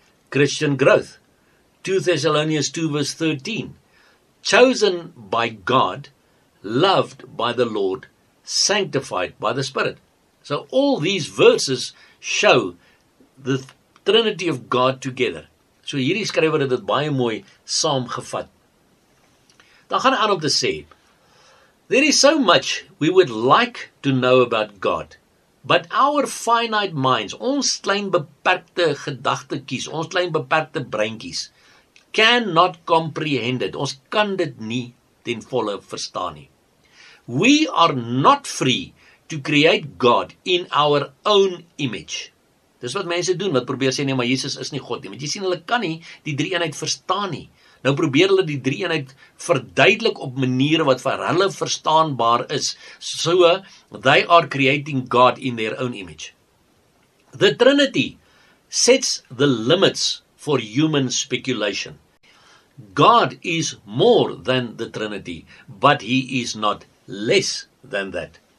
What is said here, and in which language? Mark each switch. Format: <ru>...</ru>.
<en>Christian growth, 2 Thessalonians 2 verse 13. Chosen by God, loved by the Lord, sanctified by the Spirit. So all these verses show the Trinity of God together.</en> <af>So hierdie skrywer het dit baie mooi saamgevat. Dan gaan hy aan om te sê,</af> <en>there is so much we would like to know about God, but our finite minds,</en> <af>ons klein beperkte gedagtekies, ons klein beperkte breinkies,</af> <en>cannot comprehend it.</en> <af>Ons kan dit nie ten volle verstaan nie.</af> <en>We are not free to create God in our own image.</en> <af>Dis wat mense doen, wat probeer sê, nee, maar Jesus is nie God nie. Want jy sien, hulle kan nie die drie-eenheid verstaan nie. Nou probeer hulle die drie-eenheid verduidelik op maniere wat vir hulle verstaanbaar is.</af> <en>So, they are creating God in their own image. The Trinity sets the limits for human speculation. God is more than the Trinity, but he is not less than that.</en>